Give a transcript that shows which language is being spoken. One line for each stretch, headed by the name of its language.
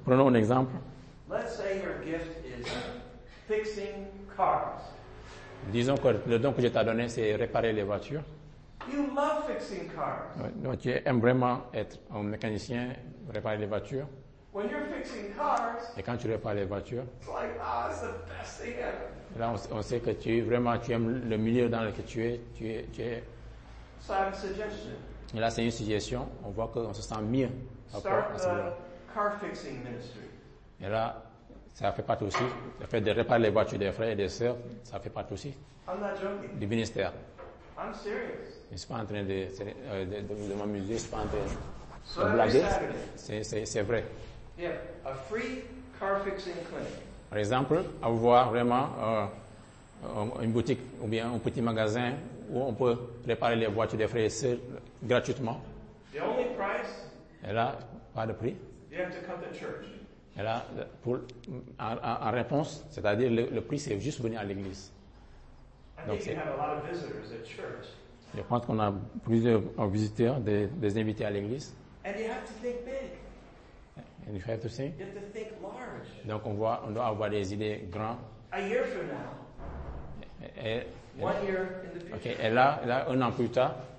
French: Prenons un exemple.
English: Let's say your gift is fixing cars.
French: Disons que le don que je t'ai donné, c'est réparer les voitures.
English: You love fixing cars.
French: Donc tu aimes vraiment être un mécanicien, réparer les voitures.
English: When you're fixing cars,
French: et quand tu répares les voitures,
English: it's like, oh, it's the best thing ever.
French: Là, on sait que tu aimes le milieu dans lequel tu es.
English: So I have a suggestion.
French: Et là, c'est une suggestion. On voit qu'on se sent mieux.
English: Car fixing ministry.
French: Et là, ça fait partie aussi. Le fait de réparer les voitures des frères et des sœurs, ça fait partie aussi.
English: I'm not joking.
French: Du ministère.
English: I'm serious.
French: Je ne suis pas en train de m'amuser, je ne suis pas en train de blaguer. C'est vrai.
English: Yeah, a free car fixing clinic.
French: Par exemple, avoir vraiment une boutique ou bien un petit magasin où on peut réparer les voitures des frères et sœurs gratuitement.
English: The only price,
French: et là, pas de prix.
English: You have to come to church.
French: Et là, en réponse, c'est-à-dire le prix, c'est juste venir à l'église.
English: Donc, you have a lot of visitors at church.
French: Je pense qu'on a plus de visiteurs, des invités à l'église.
English: And you have to think big. And you have to think. You have to think large.
French: Donc on doit avoir des idées grandes.
English: A year from now. One year in the future.
French: Okay. Et là, un an plus tard.